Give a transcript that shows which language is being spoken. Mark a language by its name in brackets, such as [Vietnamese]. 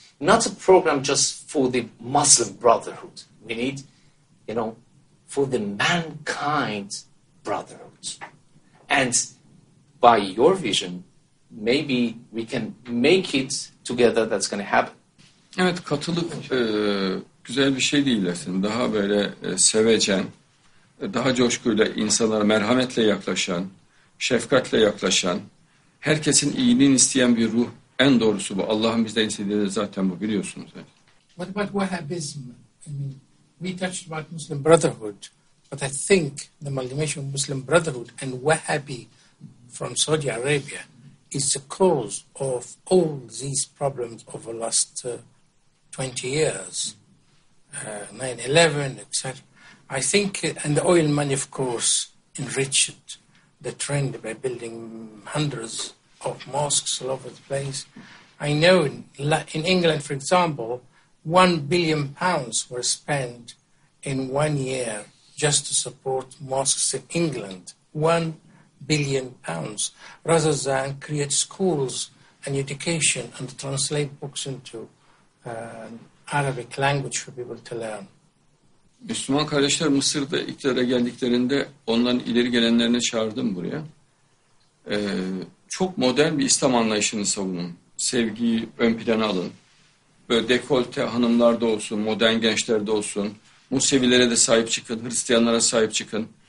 [English] Not a program just for the Muslim Brotherhood. We need, you know, for the mankind brotherhood. And by your vision, maybe we can make it together that's going to happen. [Turkish] Evet, katılık güzel bir şey değil aslında. Daha böyle sevecen, daha coşkuyla insanlara merhametle yaklaşan, şefkatle yaklaşan, herkesin iyiliğini isteyen bir ruh, en doğrusu bu. Allah'ın bizden istediği de zaten bu, biliyorsunuz. [English] What about Wahhabism? I mean, we touched about Muslim Brotherhood, but I think the amalgamation of Muslim Brotherhood and Wahhabi from Saudi Arabia is the cause of all these problems over the last 20 years, 9/11, etc. I think, and the oil money, of course, enriched the trend by building hundreds of mosques all over the place. I know in England, for example, £1 billion were spent in 1 year just to support mosques in England. £1 billion, rather than create schools and education and translate books into Arabic language for people to learn. [Turkish] Müslüman kardeşler Mısır'da iktidara geldiklerinde onların ileri gelenlerini çağırdım buraya. Çok modern bir İslam anlayışını savunun. Sevgiyi ön plana alın. Böyle dekolte hanımlarda olsun, modern gençlerde olsun. Musevilere de sahip çıkın, Hristiyanlara sahip çıkın.